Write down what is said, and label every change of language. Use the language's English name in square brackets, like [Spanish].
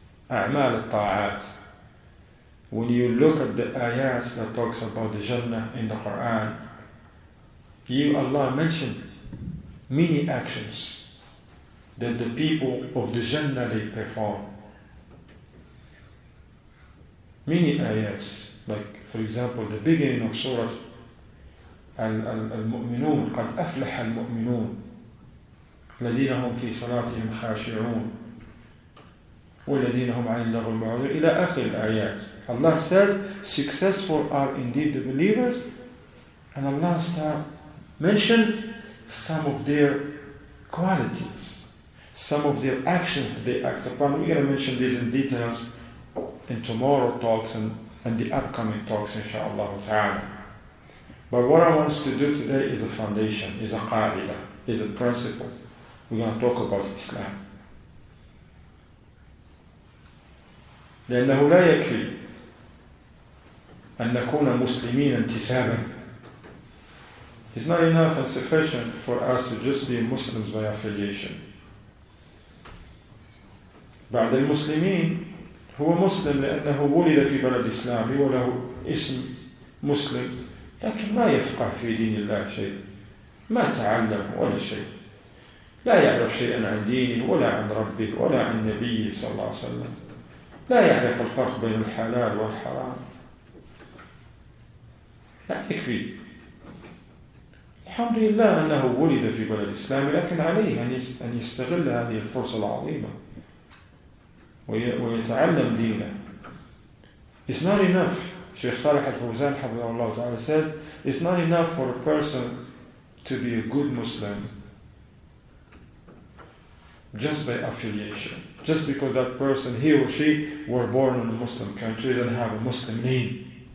[English] A'mal al-ta'at. When you look at the ayat that talks about the Jannah in the Quran, you, Allah mentioned many actions that the people of the Jannah they perform. Many ayats, like for example the beginning of Surah Al-Mu'minun, [Arabic] قَدْ أَفْلَحَ الْمُؤْمِنُونَ الذين هم في صلاتهم خاشعون والذين هم عن اللغو معرضون إلى آخر الآيات. [English] Allah says, successful are indeed the believers, and Allah starts mention some of their qualities, some of their actions that they act upon. We're going to mention these in details in tomorrow talks and the upcoming talks, inshaAllah ta'ala. But what I want to do today is a foundation, is a qaida, is a principle. We're going to talk about Islam. [Arabic] لأنه لا يكفي أن نكون مسلمين انتسابا. [English] It's not enough and sufficient for us to just be Muslims by affiliation. [Arabic] بعد المسلمين هو مسلم لأنه ولد في بلد الإسلام وله اسم مسلم، لكن ما يفقه في دين الله شيء، ما تعلم ولا شيء، لا يعرف شيئا عن دينه ولا عن ربه ولا عن نبيه صلى الله عليه وسلم، لا يعرف الفرق بين الحلال والحرام. لا يكفي. الحمد لله أنه ولد في بلد الإسلام، لكن عليه أن يستغل هذه الفرصة العظيمة ويتعلم دينه. [English] It's not enough. شيخ صالح الفوزان [Arabic] حفظه الله تعالى [English] said, it's not enough for a person to be a good Muslim just by affiliation, just because that person, he or she, were born in a Muslim country, didn't have a Muslim name,